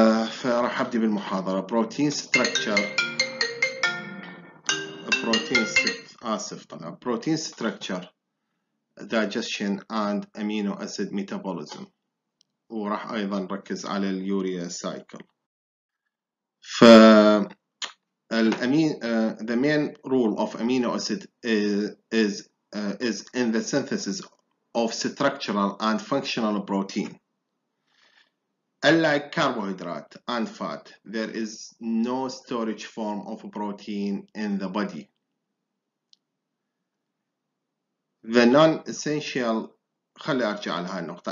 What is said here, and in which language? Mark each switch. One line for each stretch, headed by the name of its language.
Arabic: فراح ابدي بالمحاضرة. بروتين ستراكشر، بروتين ست اسف طبعا بروتين ستراكشر
English: digestion and amino acid metabolism،
Arabic: وراح ايضا ركز على اليوريا سايكل.
English: ف the main role of amino acid is in the synthesis of structural and functional protein. Unlike carbohydrate and fat, there is no storage form of protein in the body. The non-essential
Arabic: خلي ارجع على هاي النقطة.